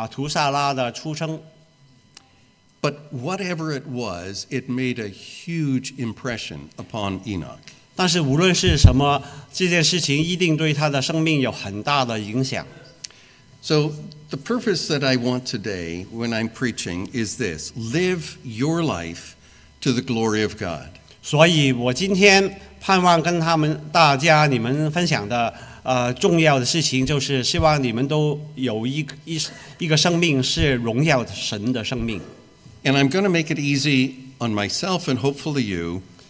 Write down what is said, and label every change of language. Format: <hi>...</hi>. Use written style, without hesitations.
<zh>可能就是因为他的儿子马图萨拉的出生。</zh> <en>But whatever it was, it made a huge impression upon Enoch.</en> <zh>但是无论是什么, 这件事情一定对他的生命有很大的影响。</zh> <en>So the purpose that I want today when I'm preaching is this: live your life to the glory of God.</en> <zh>所以我今天盼望跟他们大家你们分享的 重要的事情就是希望你们都有一个生命是荣耀神的生命。</zh> <en>And I'm going to make it easy on myself and hopefully you.</en>